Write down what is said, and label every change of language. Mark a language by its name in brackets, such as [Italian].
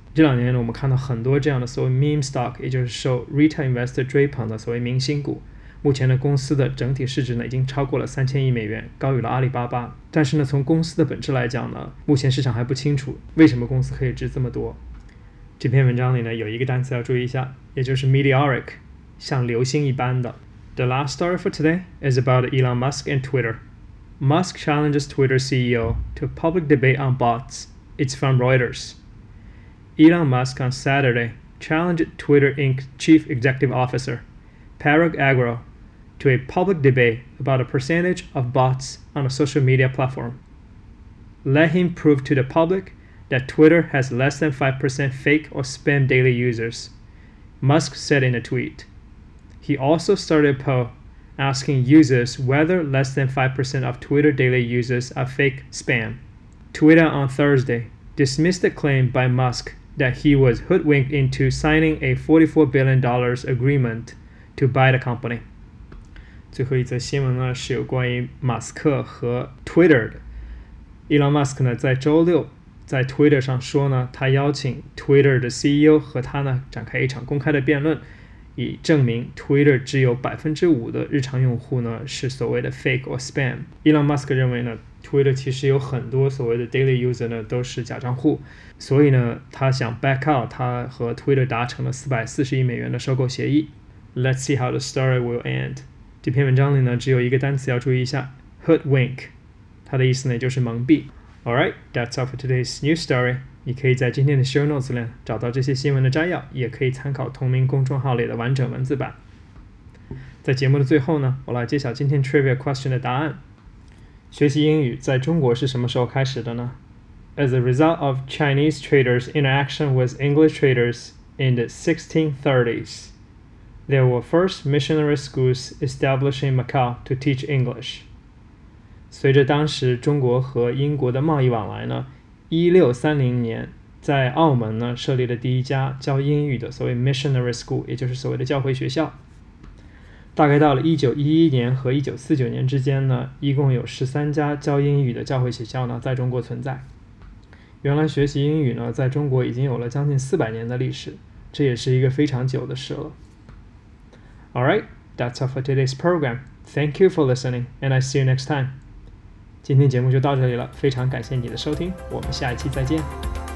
[Chinese] 这两年呢，我们看到很多这样的所谓 meme stock， 也就是受 retail investor 追捧的所谓明星股。目前的公司的整体市值呢已经超过了$3,000亿，高于了阿里巴巴。但是呢，从公司的本质来讲呢，目前市场还不清楚为什么公司可以值这么多。这篇文章里呢有一个单词要注意一下，也就是 meteoric， 像流星一般的。 [English] The last story for today is about Elon Musk and Twitter. Musk challenges Twitter CEO to public debate on bots. It's from Reuters. Elon Musk on Saturday challenged Twitter Inc. Chief Executive Officer. Parag Agrawal to a public debate about a percentage of bots on a social media platform. Let him prove to the public that Twitter has less than 5% fake or spam daily users, Musk said in a tweet. He also started a poll asking users whether less than 5% of Twitter daily users are fake spam. Twitter on Thursday dismissed the claim by Musk that he was hoodwinked into signing a $44 billion agreement to buy the company. [Chinese] 最后一则新闻呢，是有关于马斯克和 Twitter 的。 Elon Musk 呢，在周六在 Twitter 上说呢，他邀请 Twitter 的 CEO 和他呢展开一场公开的辩论，以证明 Twitter 只有 5% 的日常用户呢是所谓的 [English] fake or spam。 [Chinese] Elon Musk 认为呢， Twitter 其实有很多所谓的 daily user 呢都是假账户，所以呢他想 [English] back out [Chinese] 他和 Twitter 达成了440亿美元的收购协议。 [English] Let's see how the story will end。 [Chinese] 这篇文章里呢只有一个单词要注意一下， hoodwink， 它的意思呢就是蒙蔽。 [English] Alright, that's all for today's news story. [Chinese] 你可以在今天的 show notes 里找到这些新闻的摘要，也可以参考同名公众号里的完整文字版。在节目的最后呢，我来揭晓今天 trivia question 的答案。学习英语在中国是什么时候开始的呢？ [English] As a result of Chinese traders' interaction with English traders in the 1630s, there were first missionary schools established in Macau to teach English. [Chinese] 随着当时中国和英国的贸易往来呢，1630年在澳门呢设立了第一家教英语的所谓 missionary school， 也就是所谓的教会学校。大概到了1911年和1949年之间呢，一共有13家教英语的教会学校呢在中国存在。原来学习英语呢在中国已经有了将近400年的历史，这也是一个非常久的事了。 [English] Alright, that's all for today's program. Thank you for listening, and I see you next time. [Chinese] 今天节目就到这里了，非常感谢你的收听，我们下一期再见。